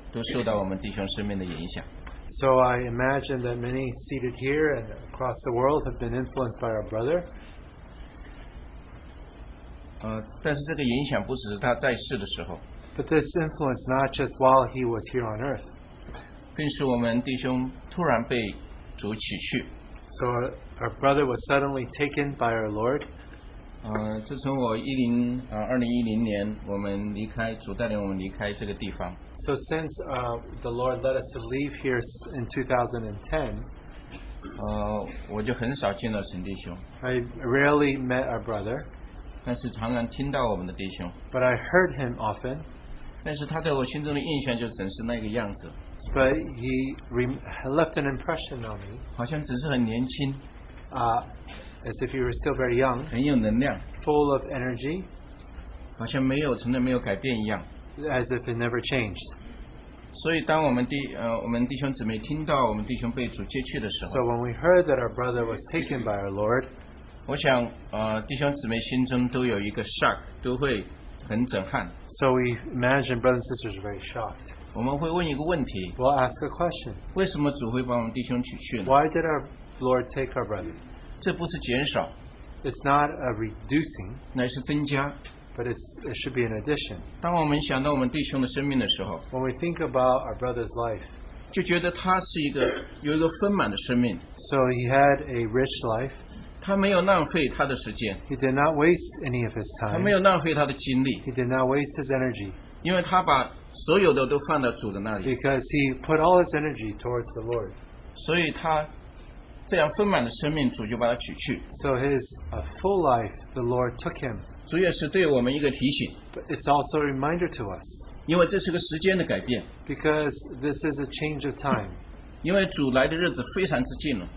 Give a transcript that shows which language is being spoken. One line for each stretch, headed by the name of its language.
Chinese: 我相信今天很多弟兄姊妹和全世界的都受到我们弟兄生命的影响。
English: So I imagine that many seated here and across the world have been influenced by our brother.
Chinese: 但是这个影响不只是他在世的时候。
English: But this influence not just while he was here on earth.
Chinese: 并使我们弟兄突然被主取去。
English: So our brother was suddenly taken by our Lord.
Chinese: 自从我2010年 我们离开主带领我们离开这个地方。
English: So since the Lord led us to leave here in 2010,
Chinese: 我就很少见到神弟兄。
English: I rarely met our brother.
Chinese: 但是常常听到我们的弟兄。
English: But I heard him often.
Chinese: 但是他在我心中的印象就只是那个样子。
English: But he left an impression on me.
Chinese: 好像只是很年轻,
English: as if he were still very young.
Chinese: 很有能量,
English: full of energy.
Chinese: 好像没有改变一样,
English: as if it never changed.
Chinese: 所以当我们弟兄姊妹听到我们弟兄被主接去的时候,
English: so when we heard that our brother was taken by our Lord,
Chinese: 我想, 弟兄姊妹心中都有一个 shock, 都会很震撼。
English: So we imagine brothers and sisters are very shocked.
Chinese: 我们会问一个问题,
English: we'll ask a question. Why did our Lord take our brother?
Chinese: 这不是减少,
English: it's not a reducing,
Chinese: 乃是增加,
English: but it should be an addition.
Chinese: 当我们想到我们弟兄的生命的时候,
English: when we think about our brother's life,
Chinese: 就觉得他是一个有一个丰满的生命,
English: so he had a rich life.
Chinese: 他没有浪费他的时间,
English: he did not waste any of his time.
Chinese: 他没有浪费他的精力,
English: he did not waste his energy.
Chinese: 因为他把所有的都放到主的那里,
English: because he put all his energy towards the Lord.
Chinese: 所以他这样丰满的生命, 主就把他取去。
English: So his full life, the Lord took him.
Chinese: 主也是对我们一个提醒。
English: But it's also a reminder to us.
Chinese: 因为这是个时间的改变。
English: Because this is a change of time.
Chinese: 因为主来的日子非常之近了。